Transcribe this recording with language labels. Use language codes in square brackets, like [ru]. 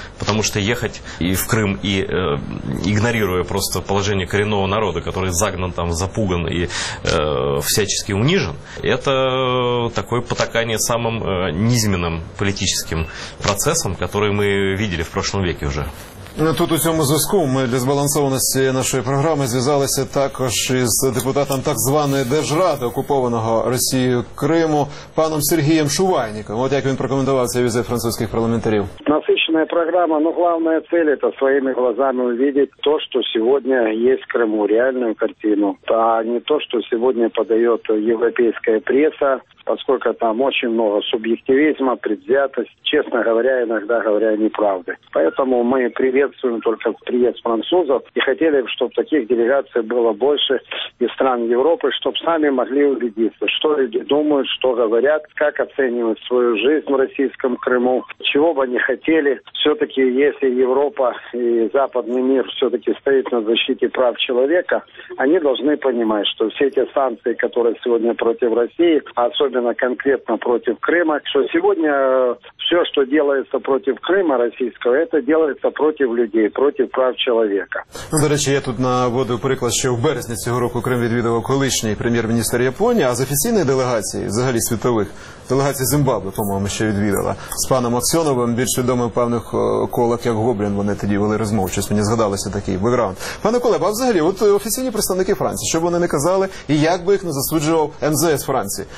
[ru] Потому что ехать и в Крым, и игнорируя просто положение коренного народа, который загнан там, запуган и всячески унижен, это такое потакание самым низменным политическим процессом, который мы видели в прошлом веке уже. [uk] Тут у цьому зв'язку ми для збалансованості нашої програми зв'язалися також із депутатом так званої Держради окупованого Росією Криму паном Сергієм Шувайніком. От як він прокоментував цей візит французьких парламентарів. Насичена програма, ну, головна ціль – це своїми глазами побачити те, що сьогодні є в Криму, реальну картину, а не те, що сьогодні подає європейська преса, поскольку там дуже багато суб'єктивізму, предвзятості, чесно говоря, іноді говоря неправди. Тому ми [ru] приветствуем только приезд французов и хотели бы, чтобы таких делегаций было больше из стран Европы, чтобы сами могли убедиться, что люди думают, что говорят, как оценивают свою жизнь в российском Крыму, чего бы они хотели. Все-таки, если Европа и западный мир все-таки стоит на защите прав человека, они должны понимать, что все эти санкции, которые сегодня против России, особенно конкретно против Крыма, что сегодня все, что делается против Крыма российского, это делается против людей, [uk] проти прав чоловіка. Ну, до речі, я тут наводив приклад, що в березні цього року Крим відвідував колишній прем'єр-міністр Японії, а з офіційної делегації, взагалі світових, делегація Зімбабве, по-моєму, ще відвідала. З паном Аксьоновим, більш відомим певних колег, як Гоблін, вони тоді вели розмову. Щось мені згадалося такий бекграунд. Пане Кулеба, а взагалі, от офіційні представники Франції, що б вони не казали, і як би їх не засуджував МЗС Франції?